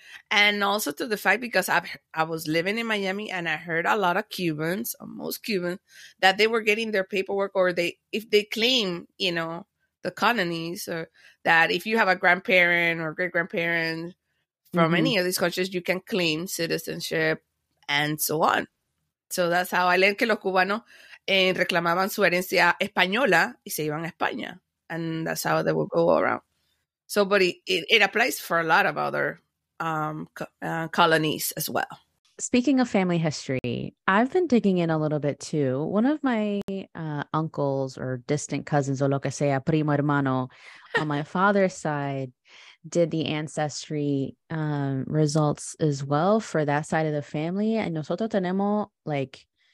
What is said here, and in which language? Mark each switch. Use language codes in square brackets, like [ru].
[en] And also to the fact, because I was living in Miami and I heard a lot of Cubans, or most Cubans, that they were getting their paperwork, or if they claim, you know, the colonies, or that if you have a grandparent or great grandparent from any of these countries, you can claim citizenship and so on. So that's how I learned [es] que los cubanos reclamaban su herencia española y se iban a España. [en] And that's how they will go around. So, but it applies for a lot of other colonies as well. Speaking of family history, I've been digging in a little bit too. One of my uncles or distant cousins, or [es] lo que sea, primo hermano, [en] on my father's side, did the ancestry results as well for that side of the family. And [es] nosotros tenemos, [en] like,